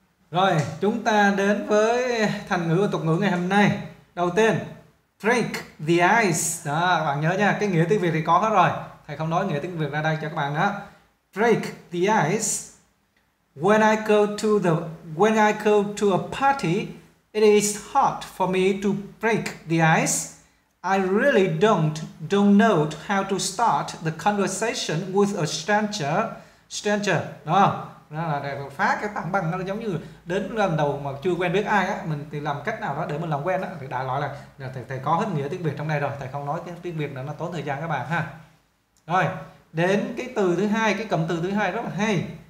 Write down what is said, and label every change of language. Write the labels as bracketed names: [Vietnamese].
[Vietnamese] Rồi, chúng ta đến với thành ngữ và tục ngữ ngày hôm nay. Đầu tiên, [English] drink the ice. [Vietnamese] Đó, các bạn nhớ nha, cái nghĩa tiếng Việt thì có hết rồi. Thầy không nói nghĩa tiếng Việt ra đây cho các bạn đó. [English] Drink the ice. When I go to a party, it is hard for me to break the ice. I really don't know how to start the conversation with a stranger. Stranger, đó. [Vietnamese] Đó là để phá cái tảng băng, nó giống như đến lần đầu mà chưa quen biết ai á, mình thì làm cách nào đó để mình làm quen á. Thì đại loại là thầy có hết nghĩa tiếng Việt trong đây rồi, thầy không nói cái tiếng Việt nữa, nó tốn thời gian các bạn ha. Rồi, đến cái từ thứ hai, cái cụm từ thứ hai rất là hay.